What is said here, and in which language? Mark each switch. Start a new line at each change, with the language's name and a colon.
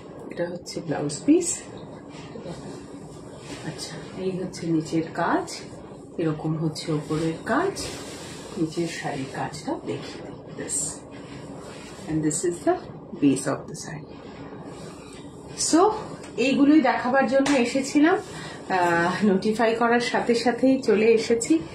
Bangla: এটা হচ্ছে blouse piece. আচ্ছা, এই হচ্ছে নিচের কাজ, এরকম হচ্ছে ওপরের কাজ, নিচের শাড়ির কাজটা দেখি this.
English: And this is the base of the sari.
Bangla: So, এইগুলোই দেখাবার জন্য এসেছিলাম, নোটিফাই করার সাথে সাথেই চলে এসেছি।